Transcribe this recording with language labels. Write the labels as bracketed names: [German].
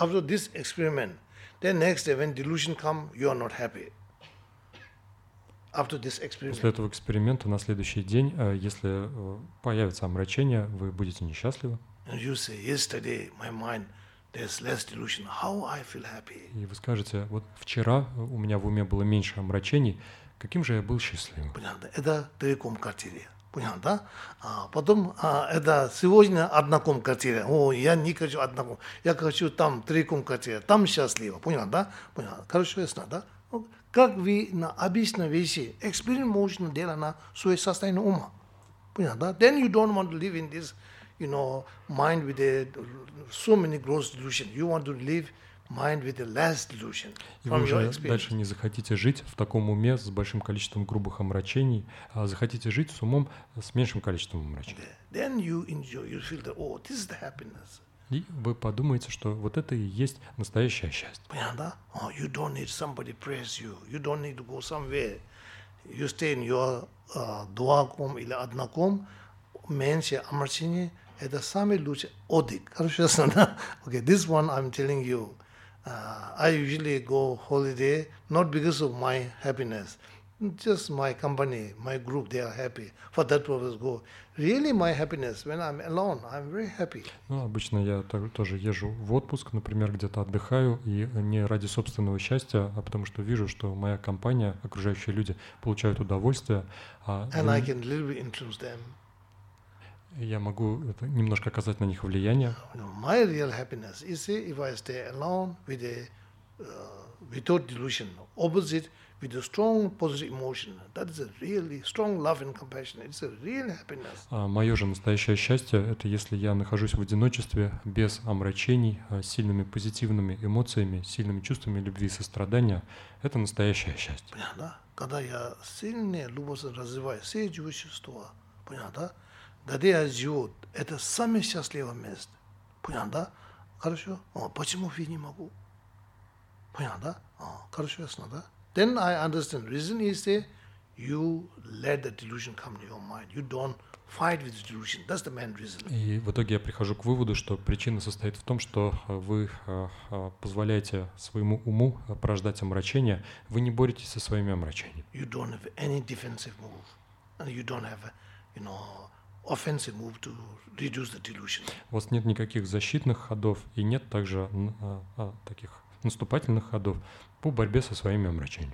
[English] After this experiment, then next day, when delusion come, you are not happy. After this experiment. [Russian] После этого эксперимента на следующий день, если появится омрачение, вы будете несчастливы. [English] And you say, yesterday my mind there's less delusion. How I feel happy? [Russian] И вы скажете, вот вчера у меня в уме было меньше омрачений, каким же я был счастливым? Понятно, да? Это три квартиры. Понятно, да? А потом это сегодня одна квартира. О, я не хочу одна квартира. Я хочу там три квартиры. Там счастливо. Понятно, да? Понятно. Хорошо, ясно, да? Как вы на обычной вещи эксперимент можно делать на свое состояние ума? Понятно, да? [English] Then you don't want to live in this. You know, mind with so many gross delusions. You want to live mind with the less delusion from your experience. [Russian] И вы дальше не захотите жить в таком уме с большим количеством грубых омрачений, а захотите жить с умом с меньшим количеством омрачений. [English] Then you enjoy, you feel that, oh, this is the happiness. [Russian] И вы подумаете, что вот это и есть настоящее счастье. Понятно, да? [English] Oh, you don't need somebody praise you. You don't need to go somewhere. You stay in your [Russian] дуаком или одноком. Меньше омрачений – это самый лучший отдых. Хорошо, ясно, да? [English] Okay, this one I'm telling you. I usually go holiday not because of my happiness, just my company, my group, they are happy. For that purpose, go. Really, my happiness when I'm alone, I'm very happy. [Russian] Ну, обычно я тоже езжу в отпуск, например, где-то отдыхаю, и не ради собственного счастья, а потому что вижу, что моя компания, окружающие люди получают удовольствие. [English] And I can literally influence them. [Russian] Я могу немножко оказать на них влияние. [English] My real happiness is if I stay alone with a without delusion, opposite with a strong positive emotion. That is a really strong love and compassion. It's a real happiness. [Russian] Мое же настоящее счастье – это если я нахожусь в одиночестве без омрачений, сильными позитивными эмоциями, сильными чувствами любви и сострадания. Это настоящее счастье. Понятно? Да? Когда я сильнее любовь развиваю все чувства, понятно? Да? Где я живу, это самое счастливое место. Понятно, да? Хорошо? Почему я не могу? Понятно, да? Хорошо, ясно, да? [English] Then I understand. Reason is that you let the delusion come to your mind. You don't fight with the delusion. That's the main reason. [Russian] И в итоге я прихожу к выводу, что причина состоит в том, что вы позволяете своему уму порождать омрачение. Вы не боретесь со своими омрачениями. [English] You don't have any defensive move. And you don't have, you know, offensive move to reduce the delusion. [Russian] У вас нет никаких защитных ходов и нет также таких наступательных ходов по борьбе со своими омрачениями.